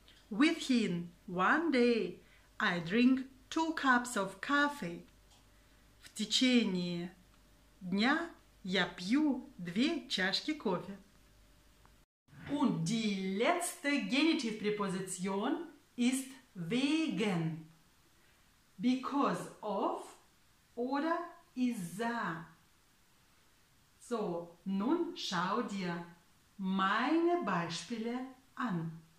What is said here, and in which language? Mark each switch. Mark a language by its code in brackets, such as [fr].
[en] Within one day I drink two cups of coffee. [ru] В течение дня я пью две чашки кофе. [de] Und die letzte Genitivpräposition ist wegen. [en] Because of [de] oder [en] из-за. [de] So, nun schau dir meine Beispiele an.